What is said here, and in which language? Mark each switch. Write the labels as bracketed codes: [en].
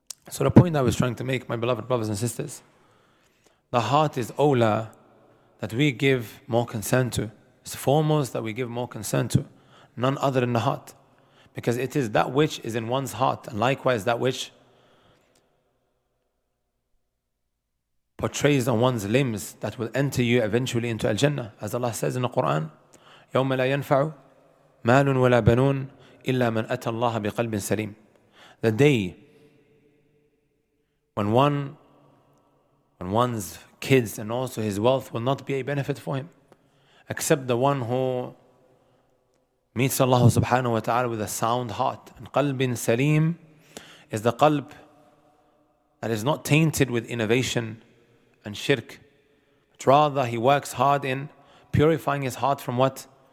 [en] So the point I was trying to make, my beloved brothers and sisters, the heart is awla that we give more concern to. It's foremost that we give more concern to, none other than the heart. Because it is that which is in one's heart, and likewise that which portrays on one's limbs, that will enter you eventually into Al-Jannah. As Allah says in the Quran, [ar] يَوْمَ لَا يَنْفَعُ مَالٌ وَلَا بَنُونَ إِلَّا مَنْ أَتَى اللَّهَ بِقَلْبٍ سَلِيمٍ. [en] The day when one's kids and also his wealth will not be a benefit for him, except the one who meets Allah subhanahu wa ta'ala with a sound heart. And qalbin salim is the qalb that is not tainted with innovation and shirk, but rather he works hard in purifying his heart from what?